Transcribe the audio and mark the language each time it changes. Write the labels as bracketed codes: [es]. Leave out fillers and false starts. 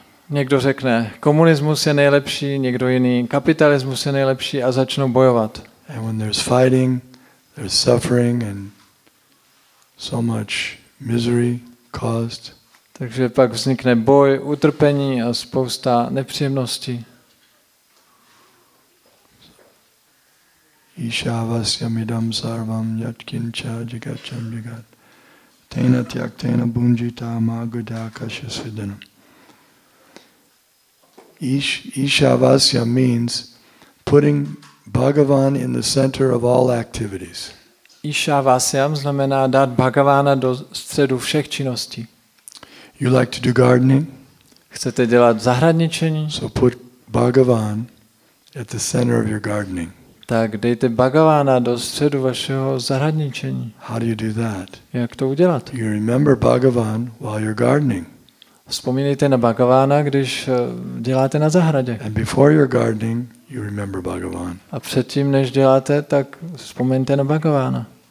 [cs] Někdo řekne, komunismus je nejlepší, někdo jiný, kapitalismus je nejlepší a začnou bojovat. [en] And when there's fighting, there's suffering and so much misery caused. [cs] Takže pak vznikne boj, utrpení a spousta nepříjemností. [sa] Ishavasyam idam sarvam yatkincha jagacham jagat tena tyaktena bunjita magudakasya siddhanam. [en] Ishavasya means putting Bhagavan in the center of all activities. [cs] Ishavasyam znamená dát Bhagavana do středu všech činností. [en] You like to do gardening? [cs] Chcete dělat zahradničení? [en] So put Bhagavan at the center of your gardening. [cs] Tak dejte Bhagavana do středu vašeho zahradničení. [en] How do you do that? [cs] Jak to udělat? [en] You remember Bhagavan while you're gardening. [cs] Vzpomínejte na Bhagavana, když děláte na zahradě. [en] And before you're gardening, you remember Bhagavan. [cs] A předtím, než děláte, tak vzpomeňte na Bhagavana.